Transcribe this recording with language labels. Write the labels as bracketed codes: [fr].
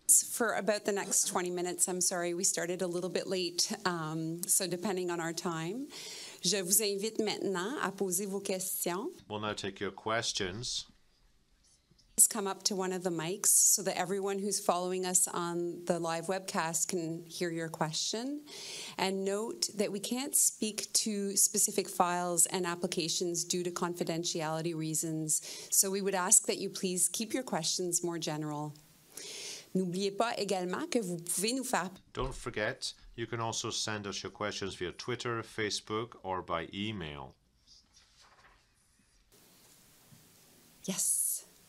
[en] For about the next 20 minutes, I'm sorry, we started a little bit late, so depending on our time. [fr] Je vous invite maintenant à poser vos questions. [en] We'll now take your questions. Please come up to one of the mics so that everyone who's following us on the live webcast can hear your question. And note that we can't speak to specific files and applications due to confidentiality reasons, so we would ask that you please keep your questions more general. [fr] N'oubliez pas également que vous pouvez nous faire... [en] Don't forget, you can also send us your questions via Twitter, Facebook, or by email. Yes.